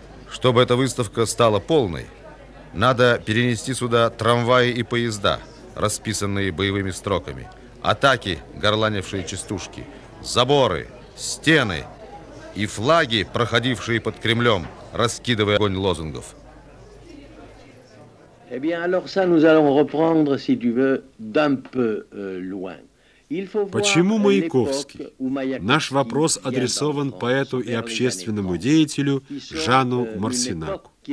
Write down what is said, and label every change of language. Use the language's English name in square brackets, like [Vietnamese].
[Russian] Чтобы эта выставка стала полной, надо перенести сюда трамваи и поезда, расписанные боевыми строками, атаки, горланившие частушки, заборы, стены и флаги, проходившие под Кремлем, раскидывая огонь лозунгов. [French] Eh bien, alors ça nous allons reprendre, si tu veux, d'un peu loin. [Russian] Почему Маяковский? Наш вопрос адресован поэту и общественному деятелю Жану Марсинаку.